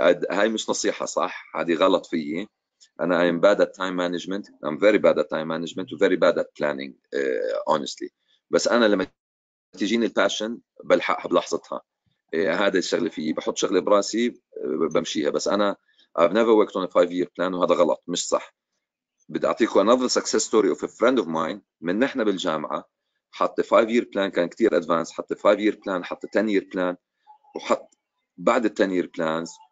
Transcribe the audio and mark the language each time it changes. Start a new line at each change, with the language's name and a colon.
Arabic: هاي مش نصيحه صح، هذه غلط فيي.
English: انا I'm bad at time management. I'm very bad at time management and very bad at planning honestly.
Arabic: بس انا لما تجيني الباشن بلحقها بلحظتها. هذا الشغل فيه بحط شغلة براسي بمشيها. بس أنا
English: I've never worked on a five-year plan،
Arabic: وهذا غلط مش صح. بدي أعطيكم
English: another success story of a friend of mine.
Arabic: من نحن بالجامعة حط
English: five-year plan،
Arabic: كان كتير
English: advanced، حط five-year plan، حط ten-year plan،
Arabic: وحط بعد
English: ten-year plans.